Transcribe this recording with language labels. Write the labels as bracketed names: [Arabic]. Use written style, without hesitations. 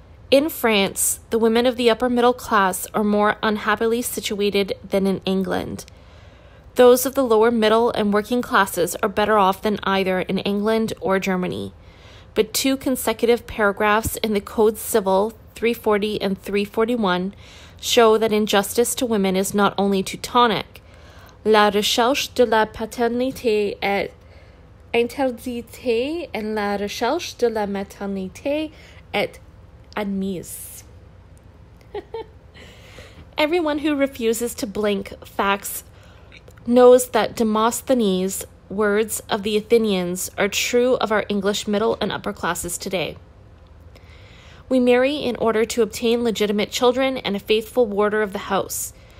[English] In France, the women of the upper middle class are more unhappily situated than in England. Those of the lower middle and working classes are better off than either in England or Germany. But two consecutive paragraphs in the Code Civil, 340 and 341, show that injustice to women is not only Teutonic. [French] La recherche de la paternité est interdite et la recherche de la maternité est admise. [English] Everyone who refuses to blink facts knows that Demosthenes, words of the Athenians, are true of our English middle and upper classes today. We marry in order to obtain legitimate children and a faithful warder of the house.